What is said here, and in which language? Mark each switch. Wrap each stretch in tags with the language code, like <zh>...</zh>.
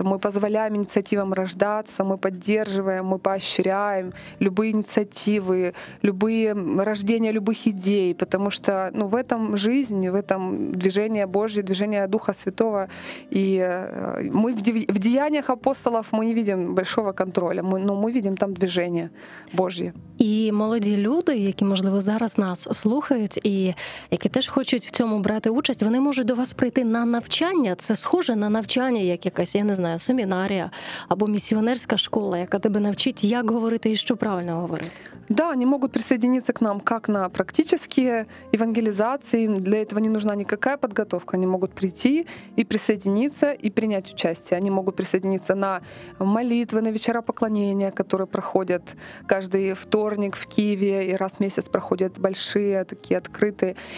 <uk>Ми дозволяємо ініціативам рождатися, ми підтримуємо, ми поощряємо любі ініціативи, любі рождення любих ідей, тому що, ну, в цьому життя, в цьому движення Божого, движення Духа Святого, і ми в діяннях апостолів,</uk> <ru>апостолов мы не видим большого контроля, но мы видим там движение Божье.</ru> <uk>І молоді люди, які, можливо, зараз нас слухають і які теж хочуть в цьому брати участь, вони можуть до вас прийти на навчання. Це схоже на навчання, як якась, я не знаю, семінарія або місіонерська школа, яка тебе навчить, як говорити і що правильно говорити.</uk> <ru>Да, они могут присоединиться к нам как на практические евангелизации. Для этого не нужна никакая подготовка. Они могут прийти и присоединиться, и принять участие. Они могут присоединиться на молитвы, на вечера поклонения, которые проходят каждый вторник в Киеве, и раз в месяц проходят большие, такие открытые.</ru>